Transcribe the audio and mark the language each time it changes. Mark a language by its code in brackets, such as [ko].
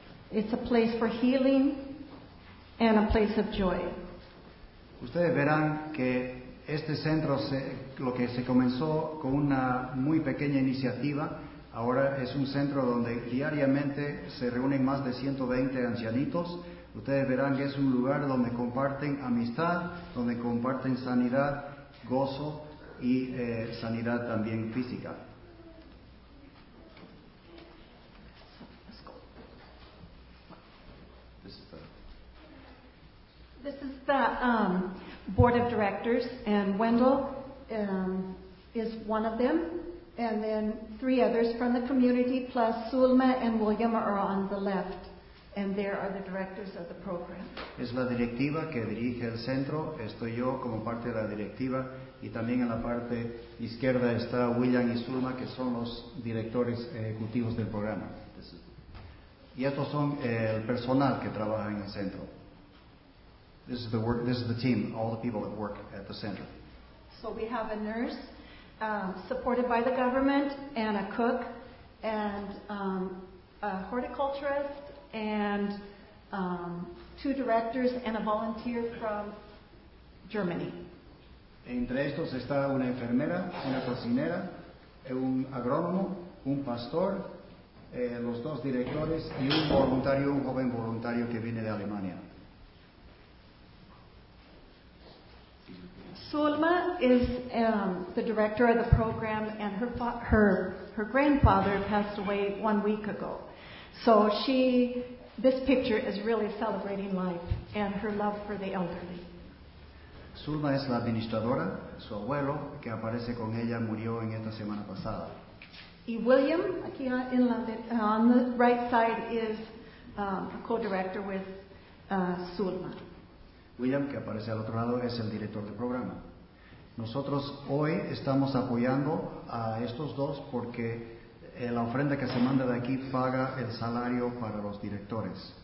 [en] It's a place for healing and a place of joy. [es] Ustedes verán que este centro, lo que se comenzó con una muy pequeña iniciativa, ahora es un centro donde diariamente se reúnen más de 120 ancianitos. Ustedes verán que es un lugar donde comparten amistad, donde comparten sanidad, gozo y sanidad también física. [en] This is the board of directors, and Wendell is one of them, and then three others from the community, plus Sulma and William are on the left, and there are the directors of the program. [es] Es la directiva que dirige el centro. Estoy yo como parte de la directiva, y también en la parte izquierda está William y Sulma, que son los directores ejecutivos del programa. Y estos son el personal que trabaja en el centro. [en] This is the work. This is the team. All the people that work at the center. So we have a nurse, supported by the government, and a cook, and a horticulturist, and two directors, and a volunteer from Germany. [es] Entre estos está una enfermera, una cocinera, un agrónomo, un pastor, los dos directores, y un voluntario, un joven voluntario que viene de Alemania. [en] Sulma is the director of the program, and her grandfather passed away 1 week ago. So this picture is really celebrating life and her love for the elderly. [es] Zulma es la administradora. Su abuelo, que aparece con ella, murió en esta semana pasada. Y William, aquí en la [en] on the right side, is a co-director with Zulma. [es] William, que aparece al otro lado, es el director del programa. Nosotros hoy estamos apoyando a estos dos porque la ofrenda que se manda de aquí paga el salario para los directores.